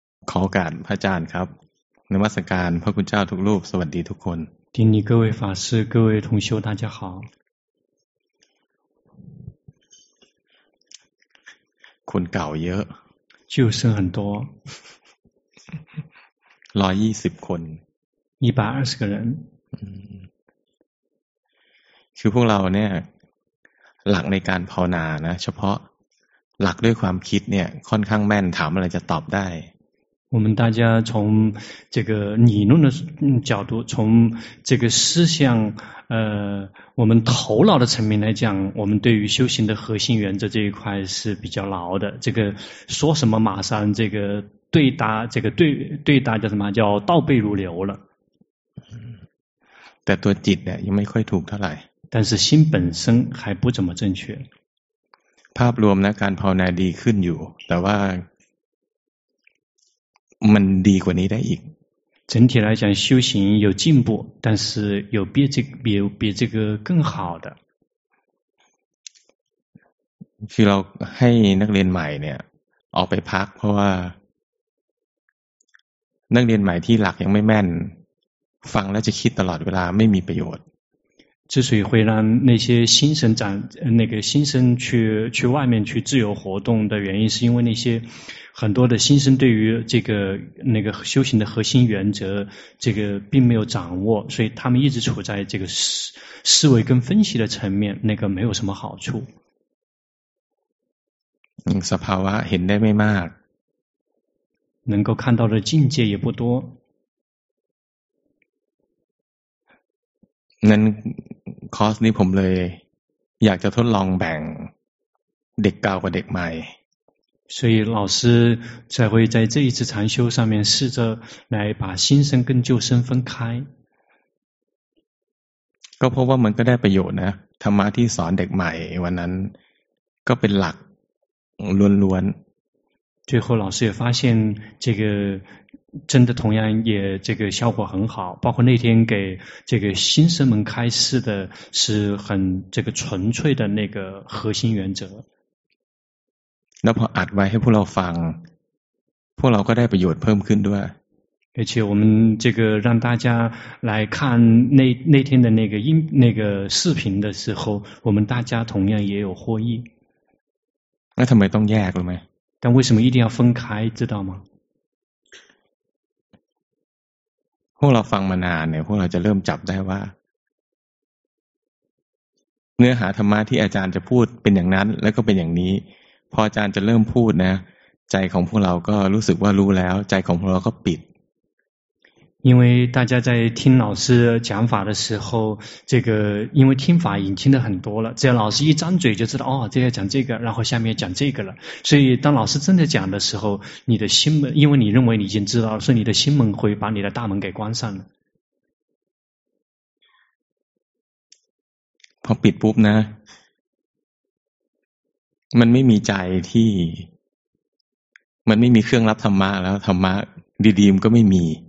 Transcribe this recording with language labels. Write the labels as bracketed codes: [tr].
[th] ขอโอกาสพระอาจารย์ครับนมัสการพระคุณเจ้าทุกรูปสวัสดีทุกคน ทีนี้ [zh] 各位法师各位同修大家好 [th] คนเก่าเยอะ [zh] 旧生很多 [th] 120คน 120คน คือพวกเราเนี่ยหลักในการภาวนานะเฉพาะหลักด้วยความคิดเนี่ยค่อนข้างแม่นถามอะไรจะตอบได้ [zh] 我们大家从这个理论的角度，从这个思想，我们头脑的层面来讲，我们对于修行的核心原则这一块是比较牢的。这个说什么马上这个对答，这个对对答叫什么叫倒背如流了。但 [th] ตัวจิตเนี่ยยังไม่ค่อยถูกเท่าไหร่。 [zh] 但是心本身还不怎么正确。 [th] ภาพรวมนะการภาวนาดีขึ้นอยู่แต่ว่ามันดีกว่านี้ได้อีก [zh] 整体来讲修行有进步但是有比这个比这个更好的 [th] คือเราให้นักเรียนใหม่เนี่ยออกไปพักเพราะว่านักเรียนใหม่ที่หลักยังไม่แม่นฟังแล้วจะคิดตลอดเวลาไม่มีประโยชน์ [zh] 之所以会让那些新生长那个新生去外面去自由活动的原因是因为那些很多的新生对于这个那个修行的核心原则这个并没有掌握所以他们一直处在这个思维跟分析的层面那个没有什么好处 [th] สภาวะเห็นได้ไม่มาก [zh] 能够看到的境界也不多 [th] นั้นคอร์สนี้ผมเลยอยากจะทดลองแบ่งเด็กเก่ากับเด็กใหม่ [zh] 所以老师才会在这一次禅修上面试着来把新生跟旧生分开 [th] ก็เพราะว่ามันก็ได้ประโยชน์นะธรรมะที่สอนเด็กใหม่วันนั้นก็เป็นหลักล้วน [zh] ๆ最后老师也发现这个真的同样也这个效果很好包括那天给这个新生们开示的是很这个纯粹的那个核心原则那 [th] พออัดไว้ให้พวกเราฟังพวกเราก็ได้ประโยชน์เพิ่มขึ้นด้วย [zh] 而且我们这个让大家来看那天的那个音那个视频的时候我们大家同样也有获益那 [th] ทำไมต้องแยกรู้ไหม [zh] 但为什么一定要分开知道吗 [th] พวกเราฟังมานานเนี่ยพวกเราจะเริ่มจับได้ว่าเนื้อหาธรรมะที่อาจารย์จะพูดเป็นอย่างนั้นแล้วก็เป็นอย่างนี้พออาจารย์จะเริ่มพูดนะใจของพวกเราก็รู้สึกว่ารู้แล้วใจของพวกเราก็ปิด [zh] 因为大家在听老师讲法的时候这个因为听法已经听得很多了只要老师一张嘴就知道哦这要讲这个然后下面讲这个了所以当老师真的讲的时候你的心门因为你认为你已经知道了所以你的心门会把你的大门给关上了 [th] พอปิดปุ๊บนะมันไม่มีใจที่มันไม่มีเครื่องรับธรรมะแล้วธรรมะดีๆมันก็ไม่มี